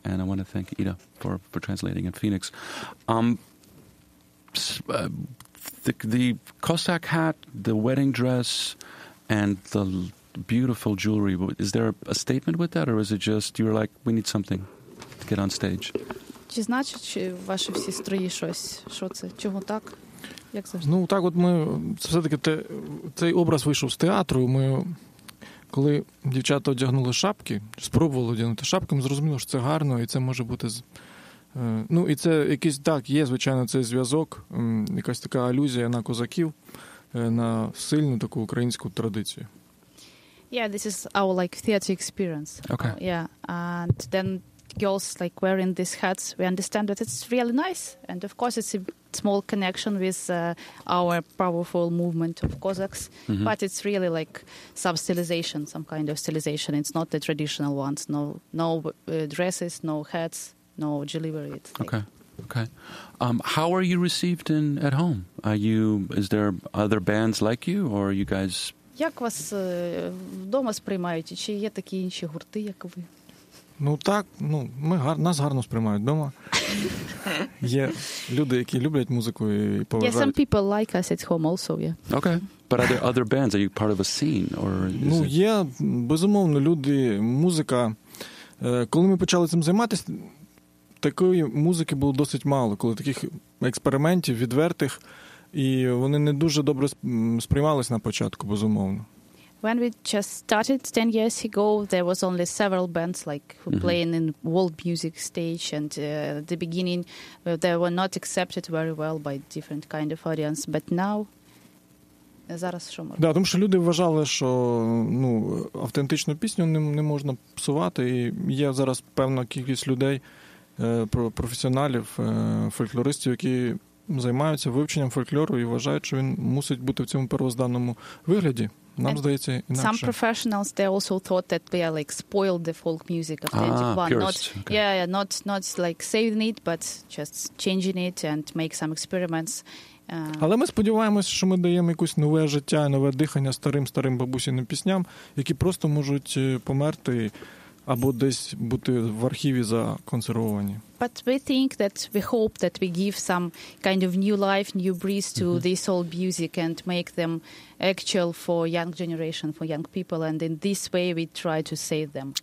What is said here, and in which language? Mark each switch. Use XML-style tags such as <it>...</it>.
<en>And I want to thank Ida for translating in Phoenix. The Cossack hat, the wedding dress, and the beautiful jewelry. Is there a statement with that, or is it just you're like, we need something to get on stage?</en> <uk>Чи значить, чи ваші всі строї щось? Що це? Чого так? Як завжди? Ну, так от ми... Це все-таки цей образ вийшов з театру. Ми, коли дівчата одягнули шапки, спробували одягнути шапки, ми зрозуміли, що це гарно, і це може бути... Ну, і це якийсь, так, є, звичайно, цей зв'язок, якась така алюзія на козаків, на сильну таку українську традицію.</uk> <en>Yeah, this is our, like, theater experience. Okay. Yeah, and then girls, like, wearing these hats, we understand that it's really nice, and of course it's a small connection with our powerful movement of Cossacks, mm-hmm. but it's really, like, some stylization, some kind of stylization. It's not the traditional ones. No dresses, no hats. No, delivery. Okay. How are you received in at home? Is there other bands like you, or are you guys?</en> <uk>Як вас вдома сприймають? Чи є такі інші гурти, як ви? Ну так, ну ми нас гарно сприймають вдома. Є люди, які люблять музику і поважають.</uk> <en>Yeah, some people like us at home also, yeah. Okay. But are there other bands? Are you part of a scene or is</en> <uk>Ну,</uk> <en>it...</en> <uk>є, безумовно, люди, музика. Коли ми почали цим займатися, такої музики було досить мало, коли таких експериментів відвертих, і вони не дуже добре сприймались на початку, безумовно.</uk> <en>When we just started 10 years ago, there was only several bands like who mm-hmm. playing in world music stage, and at the beginning they were not accepted very well by different kind of audience, but now</en> <uk>зараз що можна? Да, тому що люди вважали, що, ну, автентичну пісню не можна псувати, і є зараз певна кількість людей професіоналів, фольклористів, які займаються вивченням фольклору і вважають, що він мусить бути в цьому первозданному вигляді. Нам</uk> <en>and</en> <uk>здається інакше.</uk> <en>Some professionals, they also thought that we are, like, spoiled the folk music of 91. Not, okay. Yeah, not like saving it, but just changing it and make some experiments.</en> <uk>Але ми сподіваємось, що ми даємо якусь нове життя, нове дихання старим бабусіним пісням, які просто можуть померти або десь бути в архіві законсервовані.</uk> <en>But we think that we hope that we give some kind of new life, new breeze to mm-hmm. this old music and make them actual for young generation, for young people, and in this way we try to save them.</en>